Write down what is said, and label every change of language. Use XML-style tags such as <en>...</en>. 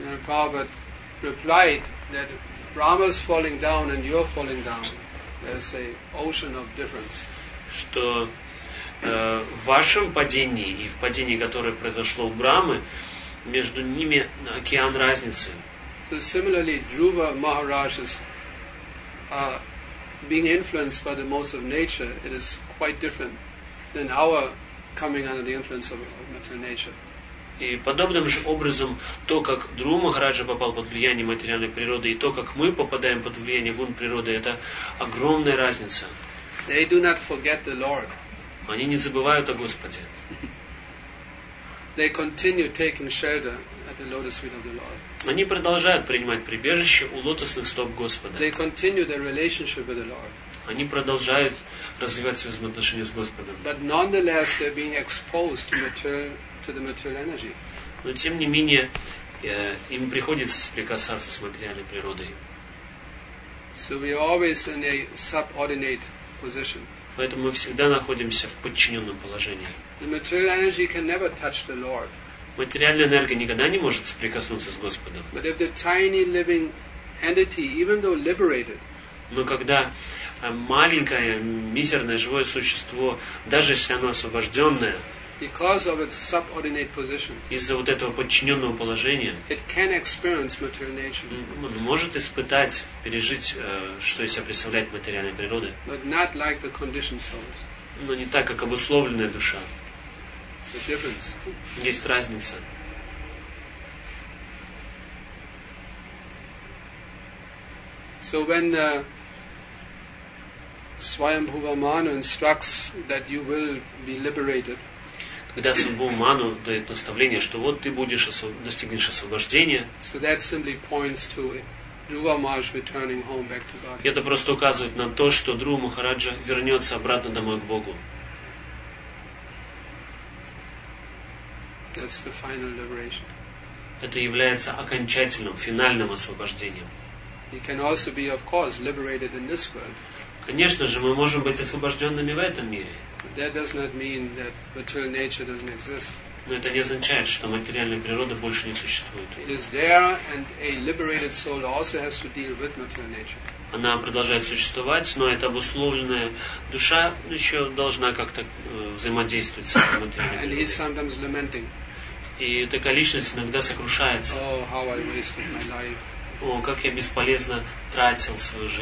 <en>Prabhupada replied that Brahma is falling down and you're falling down. There's an ocean of difference.</en> <ru>Что в вашем падении и в падении, которое произошло у Брахмы, между ними океан разницы.</ru> <en>So similarly, Dhruva Maharaj is being influenced by the most of nature. It is quite different than our coming under the influence of material nature.</en> <ru>И подобным же образом то, как Дхрува Махараджа попал под влияние материальной природы, и то, как мы попадаем под влияние гун природы, это огромная разница.</ru> <en>They do not forget the Lord.</en> <ru>Они не забывают о Господе.</ru> <en>They continue taking shelter at the lotus feet of the Lord.</en> <ru>Они продолжают принимать прибежище у лотосных стоп Господа.</ru> <en>They continue their relationship with the Lord.</en> <ru>Они продолжают развивать свои взаимоотношения с Господом.</ru> <en>But nonetheless, they're being exposed to the material energy.</en> <ru>Но тем не менее, им приходится соприкасаться с материальной природой.</ru> <en>So we are always in a subordinate position.</en> <ru>Поэтому мы всегда находимся в подчиненном положении.</ru> <en>The material energy can never touch the Lord.</en> <ru>Материальная энергия никогда не может соприкоснуться с Господом.</ru> <en>But if the tiny living entity, even though liberated,</en> <ru>но когда маленькое, мизерное живое существо, даже если оно освобожденное,</ru> <en>because of its subordinate position,</en> <ru>из-за вот этого подчиненного положения,</ru> <en>it can experience material nature.</en> <ru>Он может испытать, пережить, что из себя представляет материальная природа.</ru> <en>But not like the conditioned souls.</en> <ru>Но не так, как обусловленная душа.</ru> <en>It's a difference.</en> <ru>Есть разница.</ru> <en>So when Swayambhuva Manu instructs that you will be liberated.</en> <ru>Когда Свамбхува Ману дает наставление, что вот ты будешь достигнешь освобождения.</ru> <en>So that simply points to Dhruva Maharaj returning home back to God.</en> <ru>Это просто указывает на то, что Дхрува Махараджа вернется обратно домой к Богу.</ru> <en>That's the final liberation.</en> <ru>Это является окончательным, финальным освобождением.</ru> <en>He can also be, of course, liberated in this world.</en> <ru>Конечно же, мы можем быть освобожденными в этом мире.</ru> <en>That does not mean that material nature doesn't exist.</en> <ru>Но это не означает, что материальная природа больше не существует.</ru> <en>It is there, and a liberated soul also has to deal with material nature.</en> <ru>Она продолжает существовать, но эта обусловленная душа еще должна как-то взаимодействовать с материальной природой.</ru> <en>And he is sometimes lamenting.</en> <ru>И такая личность иногда сокрушается.</ru> <en>Oh, how I wasted my life.</en> <ru>О, как я бесполезно тратил свою жизнь.</ru>